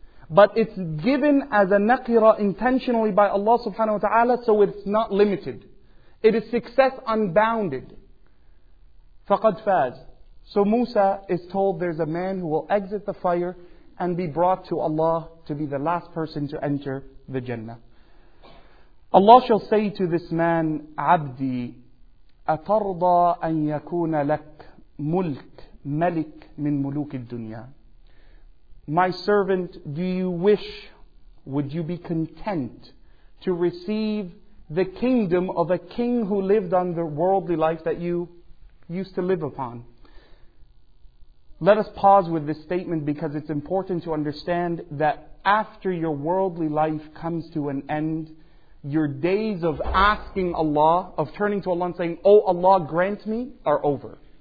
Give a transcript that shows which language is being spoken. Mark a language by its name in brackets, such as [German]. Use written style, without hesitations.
[English] But it's given as a naqira intentionally by Allah subhanahu wa ta'ala, so it's not limited. It is success unbounded. [Arabic] فَقَدْ فَازْ. [English] So Musa is told there's a man who will exit the fire and be brought to Allah to be the last person to enter the Jannah. Allah shall say to this man, [Arabic] عَبْدِي أَتَرْضَى أَن يَكُونَ لَكَ مُلْكَ مَلِكٍ مِنْ مُلُوكِ الدُّنْيَا. [English] My servant, do you wish, would you be content to receive the kingdom of a king who lived on the worldly life that you used to live upon? Let us pause with this statement because it's important to understand that after your worldly life comes to an end, your days of asking Allah, of turning to Allah and saying, "Oh Allah, grant me," are over.